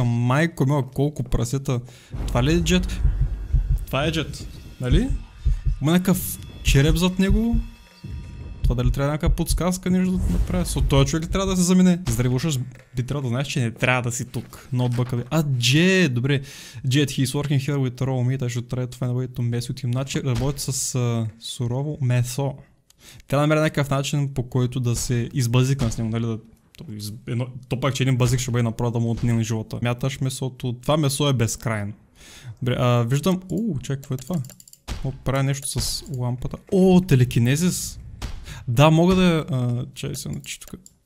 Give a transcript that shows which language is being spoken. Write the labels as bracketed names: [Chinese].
[Bulgarian] Майко мила, колко прасета... Това ли е джет? Това е джет, нали? Има някакъв череп зад него. Това дали трябва някаква подсказка нещо да направя? Со този човек ли трябва да се замине? Здрави Ушас, би трябвало да знаеш, че не трябва да си тук. Ноутбъка ви. А, джет, добре. [English] Джет, he is working here with raw meat. I should try to find a way to mess with him. [Bulgarian] Значи работи с сурово месо. Трябва да намеря някакъв начин, по който да се избазикам с него, нали? То пак, че един базик ще бъде направо да му отнеме живота. Мяташ месото? Това месо е безкрайно. Добре, виждам... Ууу, чакай, какво е това? О, правя нещо с лампата. О, телекинезис! Да, мога да... чай се, значи тук...